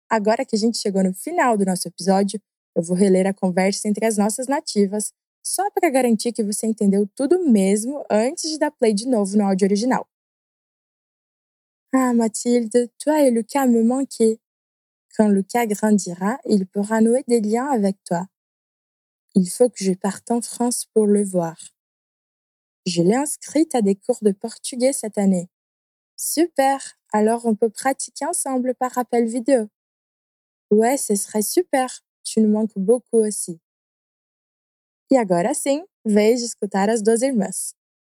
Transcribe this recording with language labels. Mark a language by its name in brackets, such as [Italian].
[Portuguese] Agora que a gente chegou no final do nosso episódio, eu vou reler a conversa entre as nossas nativas, só para garantir que você entendeu tudo mesmo antes de dar play de novo no áudio original. [French] Ah, Mathilde, toi et Lucas me manquaient. Quand Lucas grandira, il pourra nouer des liens avec toi. Il faut que je parte en France pour le voir. Je l'ai inscrite à des cours de portugais cette année. Super! Alors on peut pratiquer ensemble par appel vidéo. Ouais, ce serait super. Tu nous manques beaucoup aussi. [Portuguese] E agora sim, veja escutar as duas irmãs.